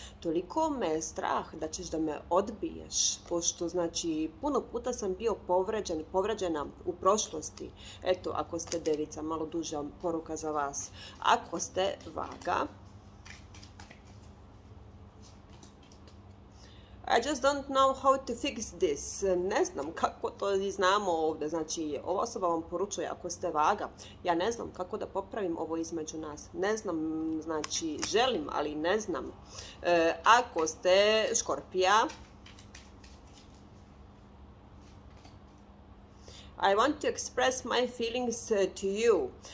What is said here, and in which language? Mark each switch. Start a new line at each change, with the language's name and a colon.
Serbian: Toliko me je strah da ćeš da me odbiješ. Pošto znači puno puta sam bio povređena u prošlosti. Eto, ako ste devica, malo duža poruka za vas. Ako ste vaga,
English: I just don't know how to fix this.
Serbian: Ne znam kako to znamo ovdje. Znači, ova osoba vam poručuje, ako ste vaga, ja ne znam kako da popravim ovo između nas. Ne znam, znači, želim, ali ne znam. Ako ste škorpija,
English: I want to express my feelings to you.